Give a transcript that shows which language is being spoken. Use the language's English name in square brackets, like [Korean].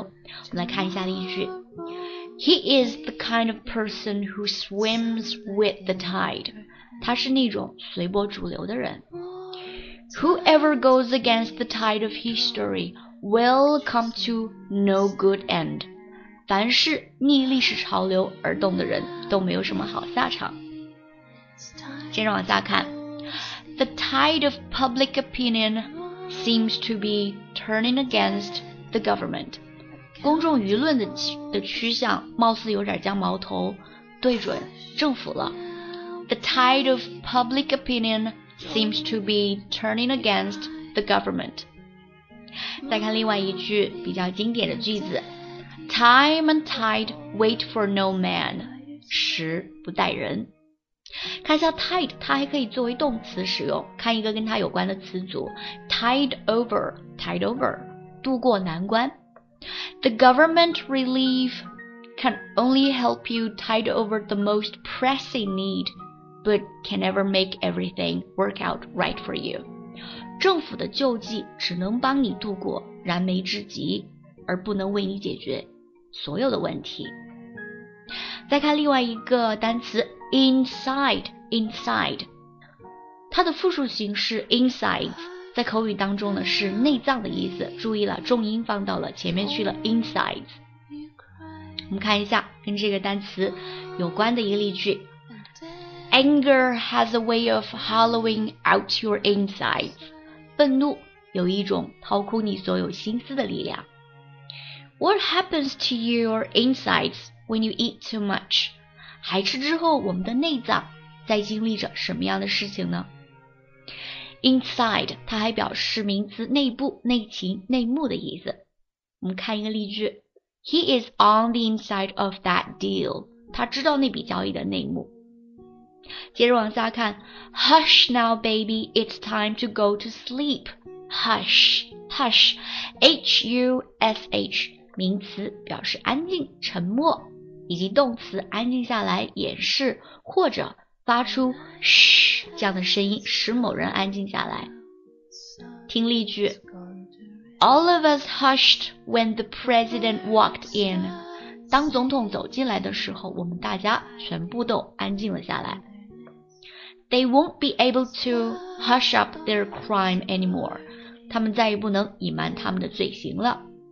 [Chinese] 我们来看一下例句： [English] He is the kind of person who swims with the tide。 [Chinese] 他是那种随波逐流的人。 [English] Whoever goes against the tide of history will come to no good end。 [Chinese] 凡是逆历史潮流而动的人，都没有什么好下场。接着往下看， [English] The tide of public opinion seems to be turning against the government。 [Chinese] 公众舆论的趋向貌似有点将矛头对准政府了。 [English] The tide of public opinion seems to be turning against the government。 [Chinese] 再看另外一句比较经典的句子： [English] Time and tide wait for no man。 [Chinese] 时不待人。看一下 tide，它还可以作为动词使用。看一个跟它有关的词组，tide over，渡过难关。 [English] The government relief can only help you tide over the most pressing need, but can never make everything work out right for you。 [Chinese] 政府的救济只能帮你渡过燃眉之急，而不能为你解决所有的问题。再看另外一个单词。Inside，它的复数形式 insides 在口语当中呢是内脏的意思。注意了，重音放到了前面去了 insides。我们看一下跟这个单词有关的一个例句： [English] Anger has a way of hollowing out your insides。 [Chinese] 愤怒有一种掏空你所有心思的力量。 [English] What happens to your insides when you eat too much？ [Chinese] 还吃之后，我们的内脏在经历着什么样的事情呢？Inside，它还表示名词内部、内情、内幕的意思。我们看一个例句： [English] He is on the inside of that deal。 [Chinese] 他知道那笔交易的内幕。接着往下看： [English] Hush now, baby, it's time to go to sleep. [Chinese] Hush，H-U-S-H，名词，表示安静、沉默。以及动词安静下来，掩饰或者发出嘘这样的声音，使某人安静下来。听例句： [English] All of us hushed when the president walked in。 [Chinese] 当总统走进来的时候，我们大家全部都安静了下来。 [English] They won't be able to hush up their crime anymore。 [Chinese] 他们再也不能隐瞒他们的罪行了。